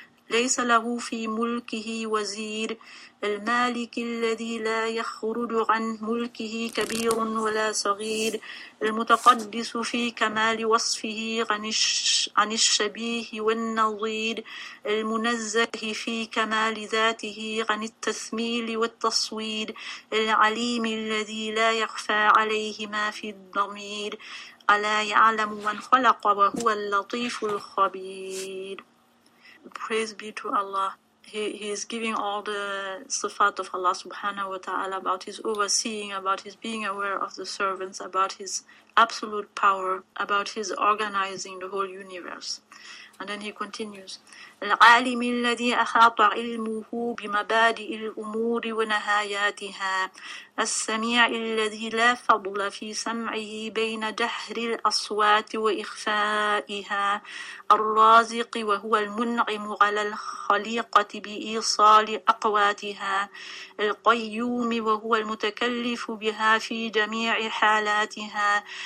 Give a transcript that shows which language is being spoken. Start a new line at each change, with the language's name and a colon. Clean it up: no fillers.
Arabic: ليس له في ملكه وزير المالك الذي لا يخرج عن ملكه كبير ولا صغير المتقدس في كمال وصفه عن الشبيه والنظير المنزه في كمال ذاته عن التثميل والتصوير العليم الذي لا يخفى عليه ما في الضمير ألا يعلم من خلق وهو اللطيف الخبير.
English: Praise be to Allah. He is giving all the sifat of Allah subhanahu wa ta'ala about his overseeing, about his being aware of the servants, about his absolute power, about his organizing the whole universe. And then he continues.
Arabic: العالم الذي أحاط علمه بمبادئ الأمور ونهاياتها السميع الذي لا فضل في سمعه بين جهر الأصوات وإخفائها الرازق وهو المنعم على الخليقة بإيصال أقواتها القيوم وهو المتكلف بها في جميع حالاتها